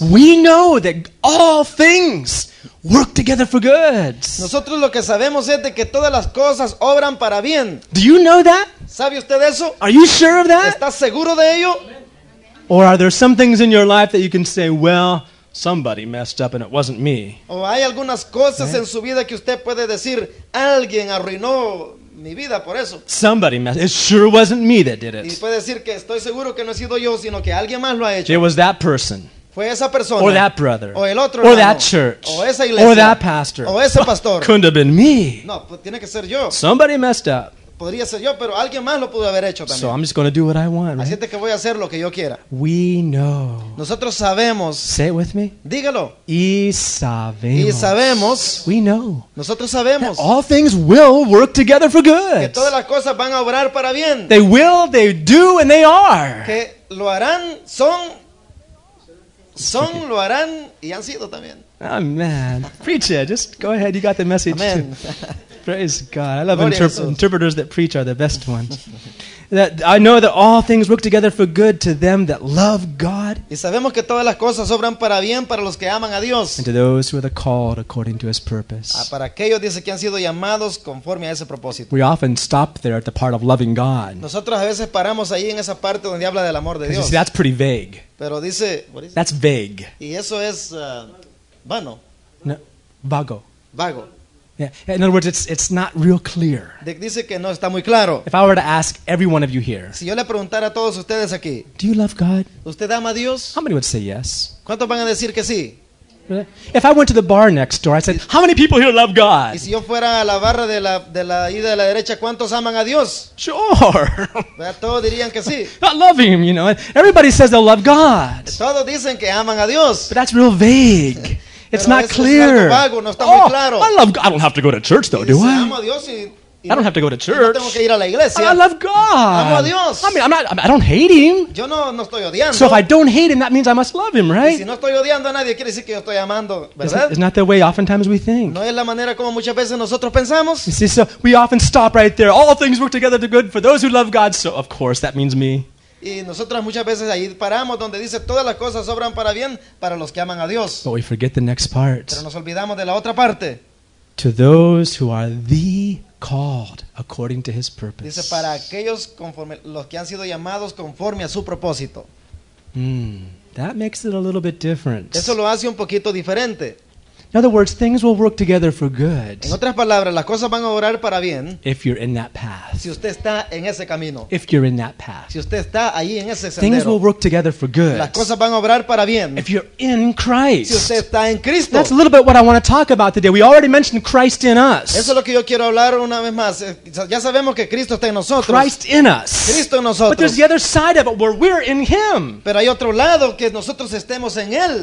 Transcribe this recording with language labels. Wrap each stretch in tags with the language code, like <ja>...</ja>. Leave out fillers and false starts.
<en>We know that all things work together for good.</en> <es>Nosotros lo que sabemos es de que todas las cosas obran para bien.</es> <en>Do you know that?</en> <es>¿Sabe usted eso?</es> <en>Are you sure of that?</en> <es>¿Estás seguro de ello?</es> <en>Or are there some things in your life that you can say, well, somebody messed up and it wasn't me?</en> <es>¿O hay algunas cosas en su vida que usted puede decir, alguien arruinó mi vida por eso.</es> <en>Somebody messed. It sure wasn't me that did it.</en> <es>Y puede decir que estoy seguro que no he sido yo, sino que alguien más lo ha hecho.</es> <en>It was that person.</en> <es>Fue esa persona.</es> <en>Or that brother.</en> <es>O el otro.</es> <en>Or</en> <es>hermano,</es> <en>that church.</en> <es>O esa iglesia.</es> <en>Or that pastor.</en> <es>O ese pastor.</es> <en>Couldn't have been me.</en> <es>No, pues tiene que ser yo.</es> <en>Somebody messed up.</en> <es>Podría ser yo, pero alguien más lo pudo haber hecho también.</es> <en>So I'm just going to do what I want.</en> <es>Así es que voy a hacer lo que yo quiera.</es> <en>We know.</en> <es>Nosotros sabemos.</es> <en>Say it with me.</en> <es>Dígalo. Y sabemos. Y sabemos.</es> <en>We know.</en> <es>Nosotros sabemos.</es> <en>That all things will work together for good.</en> <es>Que todas las cosas van a obrar para bien.</es> <en>They will, they do, and they are.</en> <es>Que lo harán, son. Son, lo harán, y han sido también.</es> <en>Oh, man. Preach it. Just go ahead. You got the message. Amen. Praise God. I love interpreters that preach are the best ones. That I know that all things work together for good to them that love God.</en> <es>Y sabemos que todas las cosas obran para bien para los que aman a Dios.</es> <en>And to those who are the called according to His purpose.</en> <es>Para aquellos dice que han sido llamados conforme a ese propósito.</es> <en>We often stop there at the part of loving God.</en> <es>Nosotros a veces paramos ahí en esa parte donde habla del amor de Dios.</es> <en>You see, that's pretty vague.</en> <es>Pero dice,</es> <en>what is that's it? Vague.</en> <es>Y eso es vano. No, vago. Vago.</es> <en>Yeah. In other words, it's not real clear.</en> <es>Dice que no está muy claro.</es> <en>If I were to ask every one of you here,</en> <es>si yo le preguntara a todos ustedes aquí,</es> <en>do you love God?</en> <es>¿Usted ama a Dios?</es> <en>How many would say yes?</en> <es>¿Cuántos van a decir que sí?</es> <en>If I went to the bar next door, I said, how many people here love God?</en> <es>¿Y si yo fuera a la barra de la ida de la derecha, cuántos aman a Dios?</es> <en>Sure.</en> <es>Todos dirían que sí.</es> <en>Not loving Him, you know. Everybody says they love God.</en> <es>Todos dicen que aman a Dios.</es> <en>But that's real vague. It's</en> <es>pero</es> <en>not clear.</en> <es>Es vago, no está muy claro.</es> <en>I love God. I don't have to go to church though, do I?</en> <es>Y,</es> <en>I don't have to go to church.</en> <es>Tengo que ir a la iglesia.</es> <en>I love God.</en> <es>Amo a Dios.</es> <en>I mean, I don't hate Him.</en> <es>Yo no estoy odiando.</es> <en>So if I don't hate Him, that means I must love Him, right?</en> <es>Y si no estoy odiando a nadie, quiere decir que yo estoy amando, ¿verdad?</es> <en>It's not the way oftentimes we think.</en> <es>No es la manera como muchas veces nosotros pensamos.</es> <en>You see, so we often stop right there. All things work together to good for those who love God. So of course that means me.</en> <es>Y nosotros muchas veces ahí paramos donde dice todas las cosas obran para bien para los que aman a Dios.</es> <en>But we forget the next part.</en> <es>Pero nos olvidamos de la otra parte.</es> <en>To those who are the called according to His purpose.</en> <es>Dice para aquellos conforme los que han sido llamados conforme a su propósito.</es> <en>That makes it a little bit different.</en> <es>Eso lo hace un poquito diferente.</es> <en>In other words, things will work together for good.</en> <es>En otras palabras, las cosas van a obrar para bien.</es> <en>If you're in that path.</en> <es>Si usted está en ese camino.</es> <en>If you're in that path.</en> <es>Si usted está ahí en ese sendero.</es> <en>Things will work together for good.</en> <es>Las cosas van a obrar para bien.</es> <en>If you're in Christ.</en> <es>Si usted está en Cristo.</es> <en>That's a little bit what I want to talk about today. We already mentioned Christ in us.</en> <es>Eso es lo que yo quiero hablar una vez más. Ya sabemos que Cristo está en nosotros.</es> <en>Christ in us.</en> <es>Cristo en nosotros.</es> <en>But there's the other side of it where we're in Him.</en> <es>Pero hay otro lado que nosotros estemos en Él.</es>